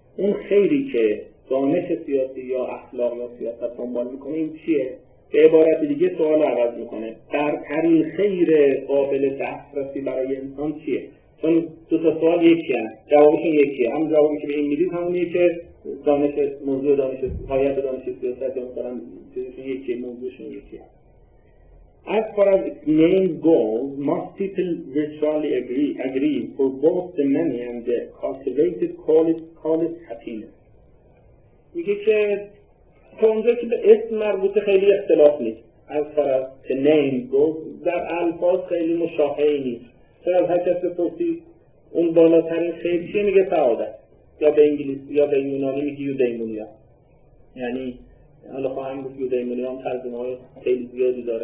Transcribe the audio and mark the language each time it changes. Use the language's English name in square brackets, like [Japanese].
[Persian] اون خیری که دانش سیاسی یا اخلاق یا سیاست دنبال میکنه این چیه؟ به عبارت دیگه سوال عوض میکنه، برترین خیر قابل دسترسی برای انسان چیه؟ چون دو تا سوال یکیه، جوابش یکیه، هم جوابی که به این میدید همونیه که دانش موضوع دانش پایت دانش سیاست مثلا یکیه، موضوعشون یکیه. [English] As far as its main goals, most people virtually agree for both the many and the cultivated call it happiness. [Persian] میگه که اونجا که به اسم مربوط خیلی اختلاف نیست. [English] As far as the name goes, [Persian] در الفاظ خیلی مشابهی نیست. چون از هر کس بپرسید اون بالاترین خیر چیه میگه سعادت. یا به انگلیسی یا به یونانی میگه یودیمونیا. یعنی حالا خواهم گفت یودیمونیا هم ترجمه های خیلی زیادی داره.